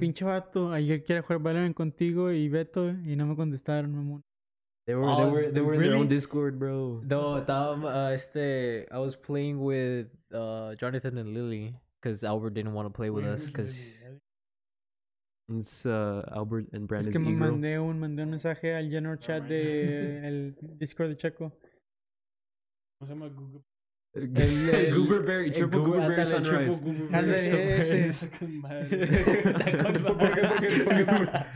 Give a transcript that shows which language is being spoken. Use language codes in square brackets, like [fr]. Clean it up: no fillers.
[es] pinche vato, ayer quería jugar Valorant contigo y Beto y no me contestaron, mamón. [en] They were really? In their own Discord, bro. No, I was playing with Jonathan and Lily because Albert didn't want to play with us because it's Albert and Brandon's ego. [es] Es que me mandé un mensaje al general chat de el Discord de Checo. ¿Cómo se llama Google? [en] Gooberberry, triple Gooberberry sunrise.